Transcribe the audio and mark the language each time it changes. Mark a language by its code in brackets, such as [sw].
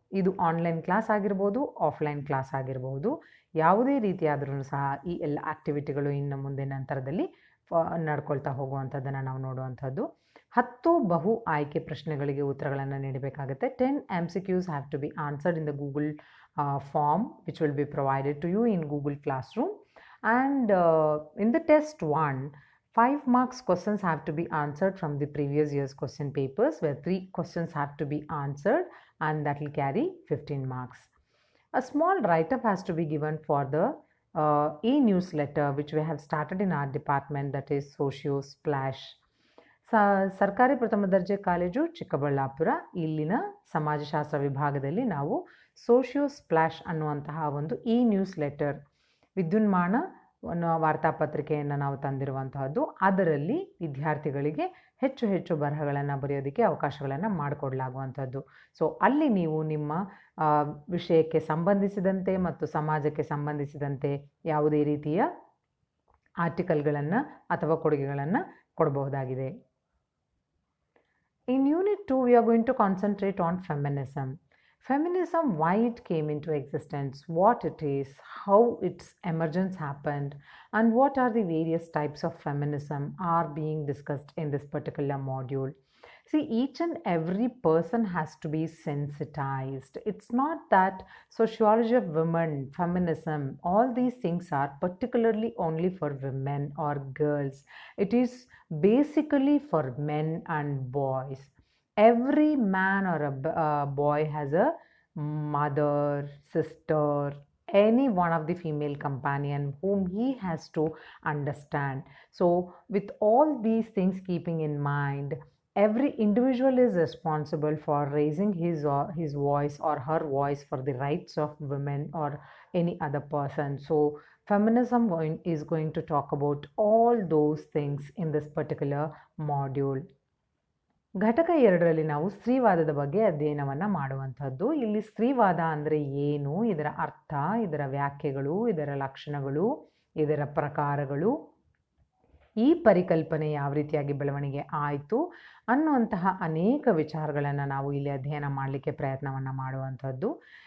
[kn] ಇದು online class ಆಗಿರ್ಬೋದು, offline class ಆಗಿರ್ಬೋದು, ಯಾವುದೇ ರೀತಿಯಾದರೂ ಸಹ ಈ ಎಲ್ಲ ಆಕ್ಟಿವಿಟಿಗಳು ಇನ್ನು ಮುಂದೆ ನಂತರದಲ್ಲಿ ನಡ್ಕೊಳ್ತಾ ಹೋಗುವಂಥದ್ದನ್ನು ನಾವು ನೋಡುವಂಥದ್ದು. 10 ಬಹು ಆಯ್ಕೆ ಪ್ರಶ್ನೆಗಳಿಗೆ ಉತ್ತರಗಳನ್ನು ನೀಡಬೇಕಾಗುತ್ತೆ. [en] 10 MCQs have to be answered in the Google form which will be provided to you in Google classroom. And in the test 1, 5 marks questions have to be answered from the previous year's question papers, where 3 questions have to be answered, and that will carry 15 marks. A small write-up has to be given for the e-newsletter which we have started in our department, that is Socio Splash. [kn] Sarkari Prathama Darje College, Chikkaballapura, illina samajashastra vibhagadalli naavu Socio Splash annuvantaha ondu e-newsletter vidyunmana ವಾರ್ತಾಪತ್ರಿಕೆಯನ್ನು ನಾವು ತಂದಿರುವಂತಹದ್ದು. ಅದರಲ್ಲಿ ವಿದ್ಯಾರ್ಥಿಗಳಿಗೆ ಹೆಚ್ಚು ಹೆಚ್ಚು ಬರಹಗಳನ್ನು ಬರೆಯೋದಕ್ಕೆ ಅವಕಾಶಗಳನ್ನು ಮಾಡಿಕೊಡಲಾಗುವಂಥದ್ದು. So ಅಲ್ಲಿ ನೀವು ನಿಮ್ಮ ವಿಷಯಕ್ಕೆ ಸಂಬಂಧಿಸಿದಂತೆ ಮತ್ತು ಸಮಾಜಕ್ಕೆ ಸಂಬಂಧಿಸಿದಂತೆ ಯಾವುದೇ ರೀತಿಯ ಆರ್ಟಿಕಲ್ಗಳನ್ನು ಅಥವಾ ಕೊಡುಗೆಗಳನ್ನು ಕೊಡಬಹುದಾಗಿದೆ. [en] In unit 2 we are going to concentrate on feminism. Feminism, why it came into existence, what it is, how its emergence happened, and what are the various types of feminism are being discussed in this particular module. See, each and every person has to be sensitized. It's not that sociology of women, feminism, all these things are particularly only for women or girls. It is basically for men and boys. Every man or a boy has a mother, sister, any one of the female companion whom he has to understand. So with all these things keeping in mind, every individual is responsible for raising his or his voice or her voice for the rights of women or any other person. So feminism is going to talk about all those things in this particular module. [kn] ಘಟಕ ಎರಡರಲ್ಲಿ ನಾವು ಸ್ತ್ರೀವಾದದ ಬಗ್ಗೆ ಅಧ್ಯಯನವನ್ನು ಮಾಡುವಂಥದ್ದು. ಇಲ್ಲಿ ಸ್ತ್ರೀವಾದ ಅಂದರೆ ಏನು, ಇದರ ಅರ್ಥ, ಇದರ ವ್ಯಾಖ್ಯೆಗಳು, ಇದರ ಲಕ್ಷಣಗಳು, ಇದರ ಪ್ರಕಾರಗಳು, ಈ ಪರಿಕಲ್ಪನೆ ಯಾವ ರೀತಿಯಾಗಿ ಬೆಳವಣಿಗೆ ಆಯಿತು ಅನ್ನುವಂತಹ ಅನೇಕ ವಿಚಾರಗಳನ್ನು ನಾವು ಇಲ್ಲಿ ಅಧ್ಯಯನ ಮಾಡಲಿಕ್ಕೆ ಪ್ರಯತ್ನವನ್ನು ಮಾಡುವಂಥದ್ದು.